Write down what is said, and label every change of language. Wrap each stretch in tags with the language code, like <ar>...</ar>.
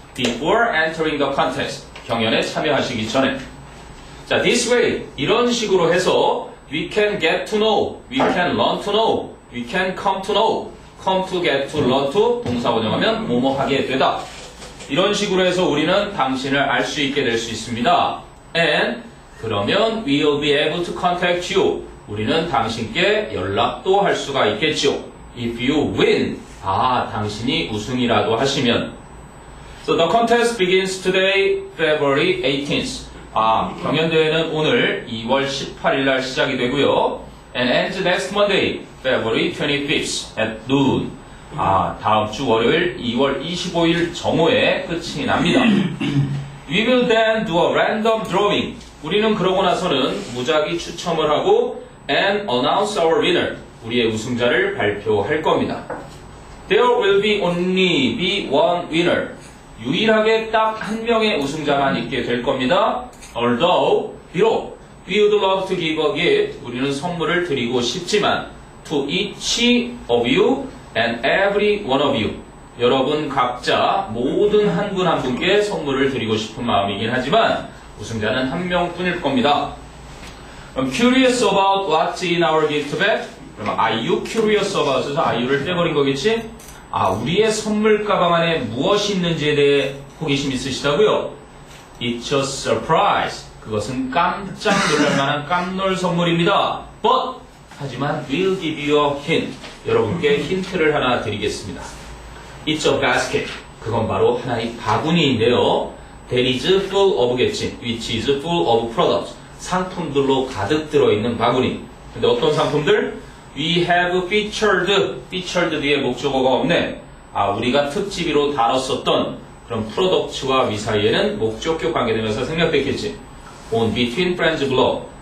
<en>Before entering the contest,</en> <ko>경연에 참여하시기 전에.</ko> <en>자, this way,</en> <ko>이런 식으로 해서</ko> <en>we can get to know, we can learn to know, we can come to know, come to get to learn to,</en> <ko>동사 번역하면 뭐뭐하게 되다. 이런 식으로 해서 우리는 당신을 알 수 있게 될 수 있습니다.</ko> <en>And</en> <ko>그러면</ko> <en>we'll be able to contact you.</en> <ko>우리는 당신께 연락도 할 수가 있겠죠.</ko> <en>If you win,</en> <ko>아, 당신이 우승이라도 하시면.</ko> <en>So the contest begins today, February 18th.</en> <ko>아, 경연대회는 오늘 2월 18일 날 시작이 되고요.</ko> <en>And ends next Monday, February 25th at noon.</en> <ko>아, 다음 주 월요일 2월 25일 정오에 끝이 납니다.</ko> <en>We will then do a random drawing.</en> <ko>우리는 그러고 나서는 무작위 추첨을 하고</ko> <en>and announce our winner.</en> <ko>우리의 우승자를 발표할 겁니다.</ko> <en>There will be only be one winner.</en> <ko>유일하게 딱 한 명의 우승자만 있게 될 겁니다.</ko> <en>Although,</en> <ko>비록</ko> <en>we would love to give a gift.</en> <ko>우리는 선물을 드리고 싶지만</ko> <en>to each of you and every one of you.</en> <ko>여러분 각자 모든 한 분 한 분께 선물을 드리고 싶은 마음이긴 하지만 우승자는 한 명뿐일 겁니다.</ko> <en>I'm curious about what's in our gift bag.</en> <ko>그럼</ko> <en>are you curious about?</en> <ko>해서</ko> <en>are you</en> <ko>를 떼버린 거겠지? 아, 우리의 선물 가방 안에 무엇이 있는지에 대해 호기심 있으시다고요?</ko> <en>It's a surprise.</en> <ko>그것은 깜짝 놀랄만한 깜놀 선물입니다.</ko> <en>But!</en> <ko>하지만</ko> <en>we'll give you a hint.</en> <ko>여러분께 힌트를 하나 드리겠습니다.</ko> <en>It's a basket.</en> <ko>그건 바로 하나의 바구니인데요.</ko> <en>That is full of kitchen, which is full of products.</en> <ko>상품들로 가득 들어있는 바구니. 근데 어떤 상품들?</ko> <en>We have featured. Featured</en> <ko>뒤에 목적어가 없네. 아, 우리가 특집으로 다뤘었던 그런 프로덕트와 위 사이에는 목적격 관계되면서 생략됐겠지.</ko> <en>On Between Friends Blog.</en>